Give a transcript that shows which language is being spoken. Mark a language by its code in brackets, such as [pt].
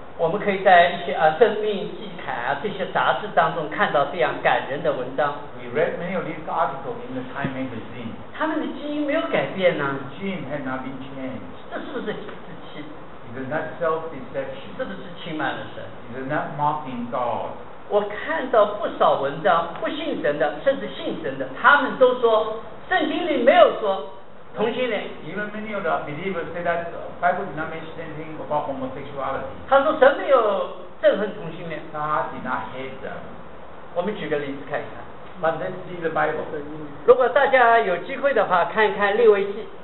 [zh] 我们可以在一些生命祭坛这些杂志当中看到这样感人的文章。 [en] We read many of these articles in the Time magazine. [zh] 他们的基因没有改变呢。 [en] Gene has not been changed. [zh] 这是不是自欺 [en] ？Is not self-deception. [zh] 是不是轻慢了神 [en] ？Is not mocking God. [zh] 我看到不少文章，不信神的，甚至信神的，他们都说圣经里没有说。同性恋。 [en] Even many of the believers say that the Bible did not mention anything about homosexuality. [zh] 他说神没有憎恨同性恋。他 [en] did not hate them. [zh] 我们举个例子看一看。 [en] But let's see the Bible. [zh] 如果大家有机会的话，看一看利未记。